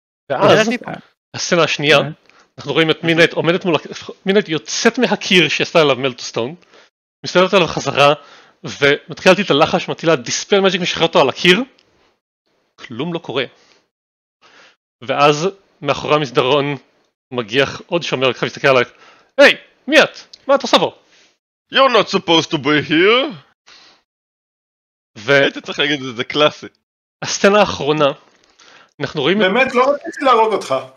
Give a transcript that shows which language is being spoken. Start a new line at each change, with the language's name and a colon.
Hebrew: ואז, הסצנה השנייה, אנחנו רואים את מינט עומדת מול, מינט יוצאת מהקיר שעשתה עליו מלטוסטון, מסתכלת עליו חזרה, ומתחילת את הלחש, מטילה דיספל מג'יק, משחרר אותו על הקיר, כלום לא קורה. ואז מאחורי המסדרון מגיח עוד שומר, ככה מסתכל עליי, היי, מי את? מה את עושה בו?
English: You're not supposed to be here.
Hebrew: היית צריך להגיד את זה, זה קלאסי. הסצנה האחרונה, אנחנו רואים... באמת, לא רציתי להרוג אותך.